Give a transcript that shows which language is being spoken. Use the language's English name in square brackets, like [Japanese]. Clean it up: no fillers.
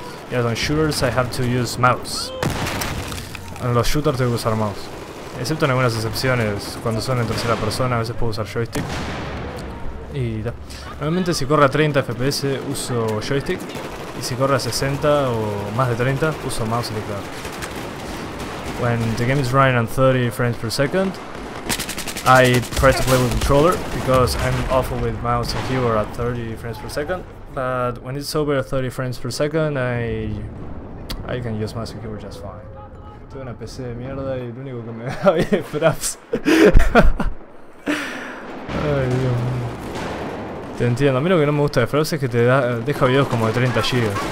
[English] Yes, on shooters I have to use mouse. [Spanish] En los shooters tengo que usar mouse. Excepto en algunas excepciones, cuando son en tercera persona, a veces puedo usar joystick. Y da. Normalmente si corre a 30 FPS uso joystick. Y si corre a 60 o más de 30, uso mouse y teclado. [English] When the game is running at 30 frames per second, I try to play with controller because I'm awful with mouse and keyboard at 30 frames per second. But when it's over 30 frames per second, I can use mouse and keyboard just fine. [Spanish] Tengo una PC de mierda y lo único que me da bien es fraps. Ay, Dios mío. Te entiendo, a mí lo que no me gusta de fraps es que te deja videos como de 30 GB.